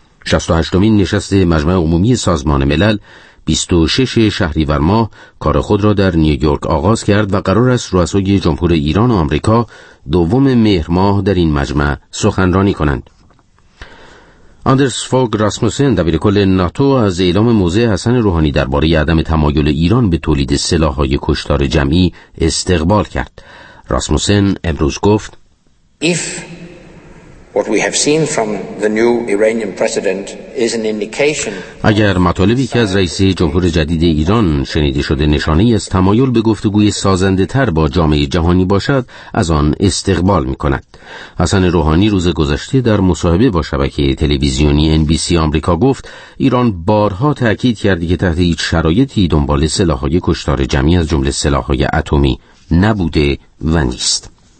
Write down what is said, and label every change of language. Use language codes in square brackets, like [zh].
[fa] 68مین نشست مجمع عمومی سازمان ملل 26 شهریور ماه کار خود را در نیویورک آغاز کرد و قرار است رؤسای جمهور ایران و آمریکا 2 مهر ماه در این مجمع سخنرانی کنند. آندرس فوگ راسموسن دبیر کل ناتو از اعلام موضع حسن روحانی درباره عدم تمایل ایران به تولید سلاح‌های کشتار جمعی استقبال کرد. راسموسن امروز گفت: [en] If what we have seen from the new Iranian president is an indication. [fa] اگر مطالبی که از رئیس جمهور جدید ایران شنیده شده نشانه‌ای از تمایل به گفتگوی سازنده‌تر با جامعه جهانی باشد، از آن استقبال می‌کند. حسن روحانی روز گذشته در مصاحبه با شبکه تلویزیونی NBC آمریکا گفت ایران بارها تأکید کرده که تحت هیچ شرایطی دنبال سلاح‌های کشتار جمعی از جمله سلاح‌های اتمی نبوده و نیست.